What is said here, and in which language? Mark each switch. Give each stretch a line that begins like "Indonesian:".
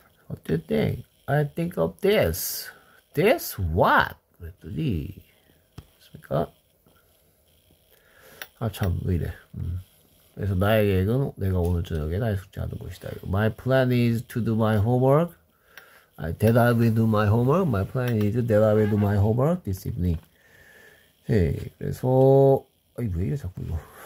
Korean: 어때?
English: I think of this. This what?
Korean: 그랬더니 있습니까? 아참 왜이래. 그래서 나의 계획은 내가 오늘 저녁에 나의 숙제하는 것이다.
English: My plan is to do my homework. That I will do my homework. My plan is that I will do my homework this evening.
Korean: 네, 그래서 아니 왜 이래 자꾸 이거.